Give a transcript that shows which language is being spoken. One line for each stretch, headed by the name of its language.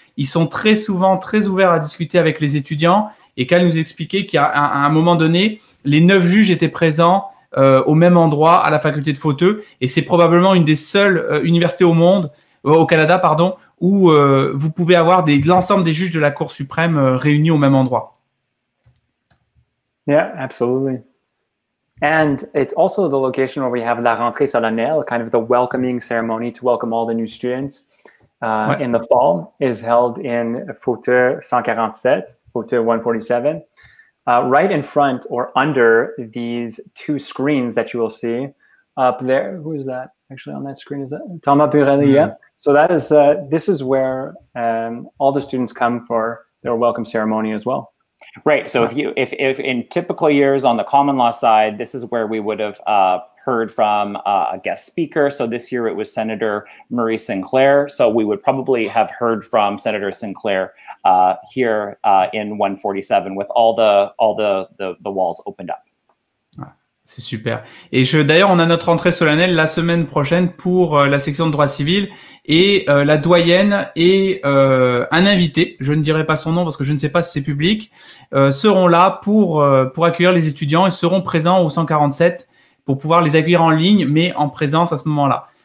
French: Ils sont très souvent très ouverts à discuter avec les étudiants. Et Cal nous expliquait qu'à un moment donné, les 9 juges étaient présents au même endroit à la faculté de Fauteuil. Et c'est probablement une des seules universités au Canada, où vous pouvez avoir l'ensemble des juges de la Cour suprême réunis au même endroit.
English: Yeah, absolutely. And it's also the location where we have La Rentrée Solennelle, kind of the welcoming ceremony to welcome all the new students in the fall, is held in Fauteuil 147, Fauteuil 147, right in front or under these two screens that you will see up there. Who is that actually on that screen? Is that Thomas Burelli? Yeah. So that is this is where all the students come for their welcome ceremony as well. Right. So if in typical years on the common law side, this is where we would have heard from a guest speaker. So this year it was Senator Marie Sinclair. So we would probably have heard from Senator Sinclair here in 147 with all the walls opened up.
French: Ah, c'est super. Et d'ailleurs, on a notre entrée solennelle la semaine prochaine pour la section de droit civil. Et la doyenne et un invité, je ne dirai pas son nom parce que je ne sais pas si c'est public, seront là pour accueillir les étudiants et seront présents au 147 pour pouvoir les accueillir en ligne, mais en présence à ce moment-là.